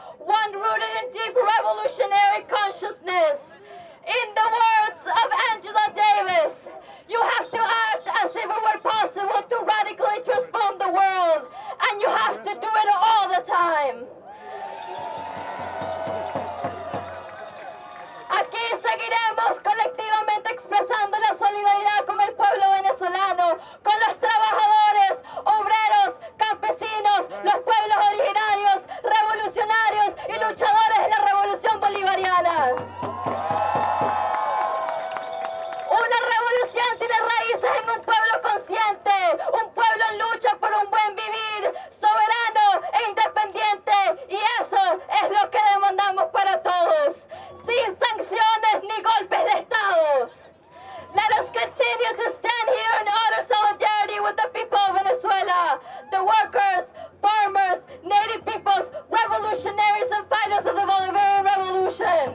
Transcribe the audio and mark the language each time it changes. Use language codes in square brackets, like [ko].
[en] One rooted in deep revolutionary consciousness. In the words of Angela Davis, you have to act as if it were possible to radically transform the world, and you have to do it all the time. [es] Aquí seguiremos colectivamente expresando la solidaridad con el pueblo venezolano, con los trabajadores, obreros, campesinos, los pueblos originarios, revolucionarios y luchadores de la revolución bolivariana. Una revolución tiene raíces en un pueblo consciente, un pueblo en lucha por un buen vivir, soberano e independiente, y eso es lo que demandamos para todos. Sin sanciones ni golpes de estados. [en] Let us continue to stand here in utter solidarity with the people of Venezuela, the workers, farmers, native peoples, revolutionaries, and fighters of the Bolivarian Revolution.